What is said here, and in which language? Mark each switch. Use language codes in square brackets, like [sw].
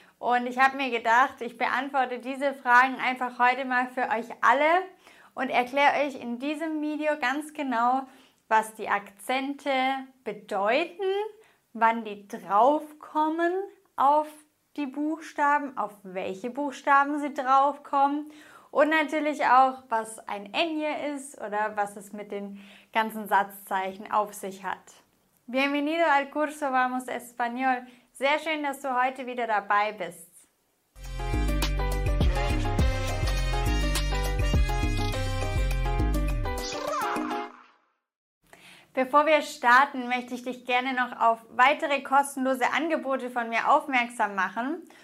[de] Und ich habe mir gedacht, ich beantworte diese Fragen einfach heute mal für euch alle und erkläre euch in diesem Video ganz genau, was die Akzente bedeuten, wann die draufkommen auf die Buchstaben, auf welche Buchstaben sie draufkommen und natürlich auch, was ein Enje ist oder was es mit den ganzen Satzzeichen auf sich hat. [es] Bienvenido al curso Vamos Español. [de] Sehr schön, dass du heute wieder dabei bist. Bevor wir starten, möchte ich dich gerne noch auf weitere kostenlose Angebote von mir aufmerksam machen.